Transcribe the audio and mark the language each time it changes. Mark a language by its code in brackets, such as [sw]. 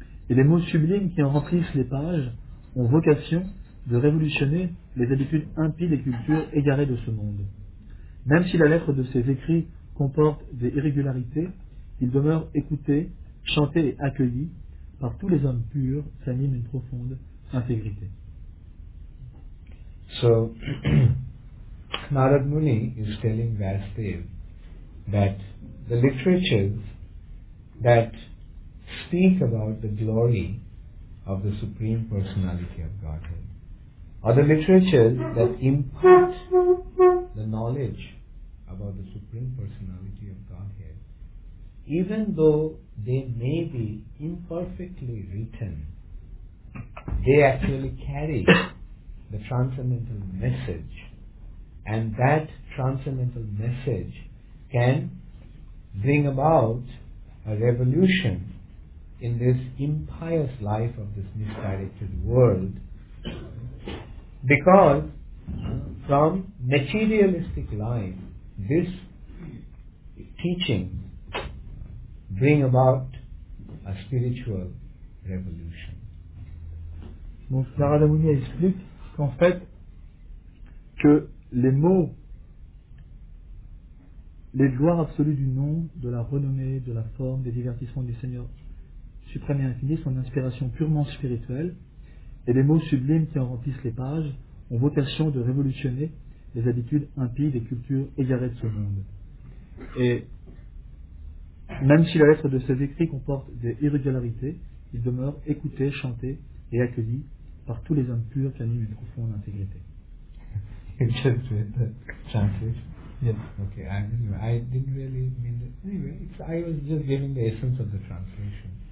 [fr] Et les mots sublimes qui en remplissent les pages ont vocation de révolutionner les habitudes impies des cultures égarées de ce monde. Même si la lettre de ces écrits comporte des irrégularités, ils demeurent écoutés, chantés et accueillis par tous les hommes purs, s'anime une profonde intégrité. [en] So, Narad Muni is telling Vasudeva that the literatures that speak about the glory of the Supreme Personality of Godhead are the literatures that impart the knowledge about the Supreme Personality of Godhead, even though they may be imperfectly written, they actually carry the transcendental message, and that transcendental message can bring about a revolution in this impious life of this misdirected world, because from materialistic life this teaching bring about a spiritual revolution. [fr] Donc Narada Muni explique qu'en fait que les mots, les gloires absolues du nom, de la renommée, de la forme, des divertissements du Seigneur suprême et infini sont d'inspiration purement spirituelle, et les mots sublimes qui en remplissent les pages ont vocation de révolutionner les habitudes impies des cultures égarées de ce monde. Et même si la lettre de ces écrits comporte des irrégularités, ils demeurent écoutés, chantés et accueillis par tous les hommes purs qui animent une profonde intégrité. [en] You just read the translation? Yes. Okay, I didn't really mean that. Anyway, I was just giving the essence of the translation.